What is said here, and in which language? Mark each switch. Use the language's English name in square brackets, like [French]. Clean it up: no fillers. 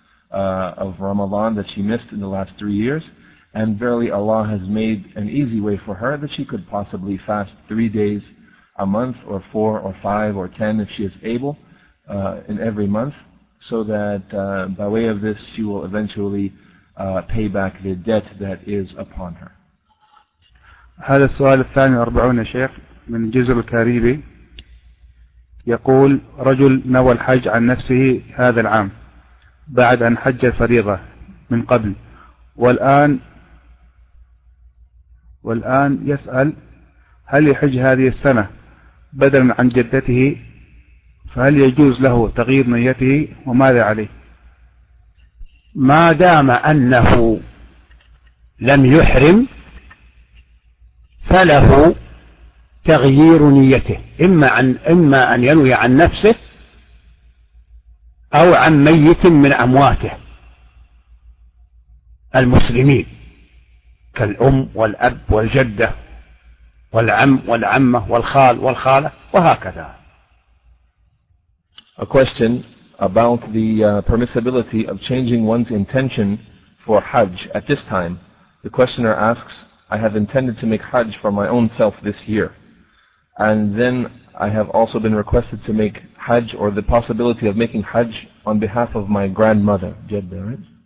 [English] of Ramadan that she missed in the last 3 years, and verily Allah has made an easy way for her that she could possibly fast 3 days a month, or 4 or 5 or 10 if she is able, in every month, so that by way of this she will eventually pay back the debt that is upon her. [Arabic] هذا السؤال الثاني والأربعون شيخ من جزر الكاريبي. يقول: رجل نوى الحج عن نفسه هذا العام بعد أن حج فريضة من قبل، والآن يسأل هل يحج هذه السنة بدلا عن جدته، فهل يجوز له تغيير نيته وماذا عليه؟ ما دام أنه لم يحرم فله تغيير نيته، إما أن ينوي عن نفسه أو عن ميت من أمواته المسلمين كالأم والأب والجدة والعم والعمة والخال والخالة وهكذا. [English] A question about the permissibility of changing one's intention for Hajj at this time. The questioner asks: I have intended to make Hajj for my own self this year, and then I have also been requested to make Hajj, or the possibility of making Hajj, on behalf of my grandmother, Jeddah, right?